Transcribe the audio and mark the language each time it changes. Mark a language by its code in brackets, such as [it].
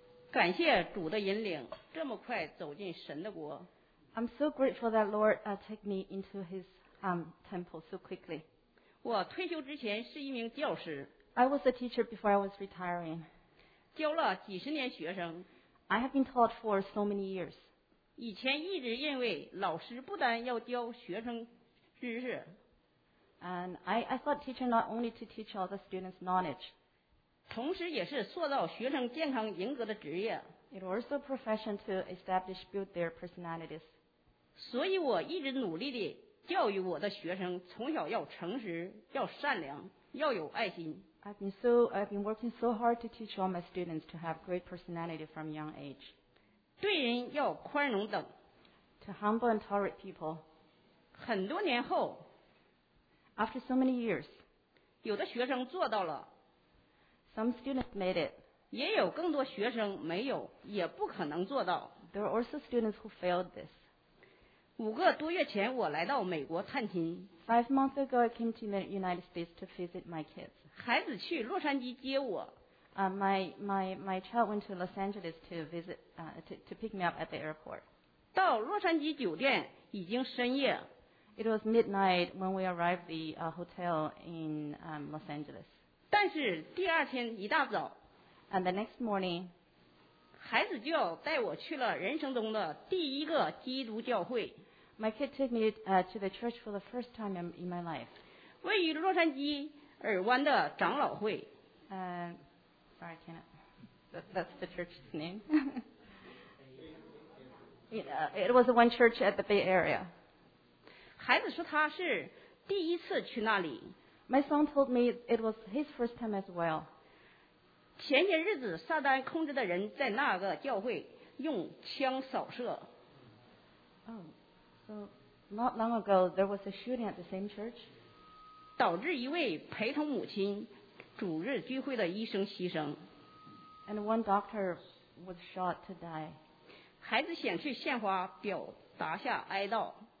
[zh] 感谢主的引领，这么快走进神的国。 [en] I'm so grateful that Lord take me into His temple so quickly. [zh] 我退休之前是一名教师。 [en] I was a teacher before I was retiring. [zh] 教了几十年学生。 [en] I have been taught for so many years. [zh] 以前一直认为老师不单要教学生知识。 [en] And I thought teacher not only to teach all the students knowledge. [zh] 同时也是塑造学生健康人格的职业。 [en] It was also a profession to establish, build their personalities. [zh] 所以我一直努力地教育我的学生，从小要诚实，要善良，要有爱心。 [en] I've been working so hard to teach all my students to have great personality from young age. [zh] 对人要宽容等。 [en] To humble and tolerate people. [zh] 很多年后， [en] After so many years, [zh] 有的学生做到了。 [en] Some students made it. [zh] 也有更多学生没有，也不可能做到。 [en] There are also students who failed this. [zh] 五个多月前我来到美国探亲。 [en] 5 months ago, I came to the United States to visit my kids. [zh] 孩子去洛杉矶接我。 [en] My child went to Los Angeles to visit, to pick me up at the airport. [zh] 到洛杉矶酒店已经深夜。 [en] It was midnight when we arrived at the hotel in Los Angeles. [zh] 但是第二天一大早 [en] And the next morning, [zh] 孩子就带我去了人生中的第一个基督教会。 [en] My kid took me to the church for the first time in my life. [zh] 位于洛杉矶尔湾的长老会。 [en] Sorry, cannot. That's the church's name. it was the one church at the Bay Area. [zh] 孩子说他是第一次去那里。 [en] My son told me it was his first time as well. [zh] 前些日子，撒旦控制的人在那个教会用枪扫射。 [en] Oh, so not long ago there was a shooting at the same church. [zh] 导致一位陪同母亲主日聚会的医生牺牲。 [en] And one doctor was shot to die. [zh] 孩子想去献花，表达下哀悼。